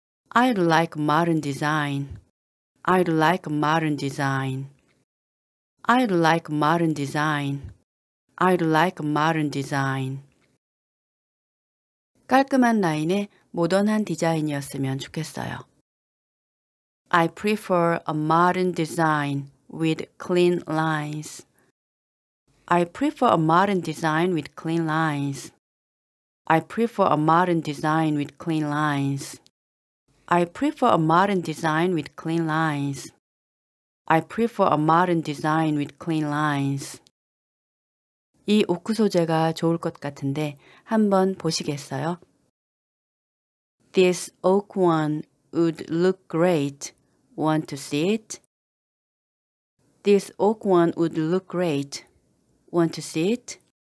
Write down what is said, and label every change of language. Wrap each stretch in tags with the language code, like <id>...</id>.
<en>I would like a modern design. I would like a modern design. I would like a modern design. I would like a modern design.</en> <ko>깔끔한 라인에 모던한 디자인이었으면 좋겠어요.</ko> <en>I prefer a modern design with clean lines. I prefer a modern design with clean lines. I prefer a modern design with clean lines. I prefer a modern design with clean lines. I prefer a modern design with clean lines.</en> <ko>이 오크 소재가 좋을 것 같은데 한번 보시겠어요?</ko> <en>This oak one would look great. Want to see it? This oak one would look great. Want to see it?</en>